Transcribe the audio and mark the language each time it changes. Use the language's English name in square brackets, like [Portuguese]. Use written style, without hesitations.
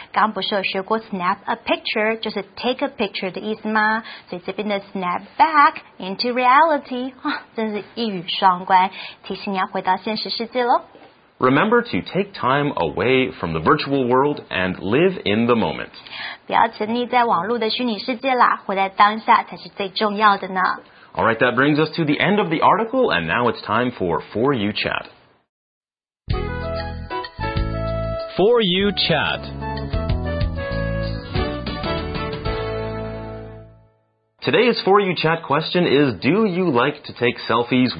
[Chinese] 刚刚不是有学过 [English] snap a picture, [Chinese] 就是 [English] take a picture [Chinese] 的意思吗所以这边的 [English] snap back into reality, [Chinese] 真是一语双关提醒你要回到现实世界咯。 [English] Remember to take time away from the virtual world and live in the moment. [Chinese] 不要沉溺在网络的虚拟世界啦活在当下才是最重要的呢。 [English] All right, that brings us to the end of the article, and now it's time for 4U Chat. For You Chat. Today's For You Chat question is, do you like to take selfies?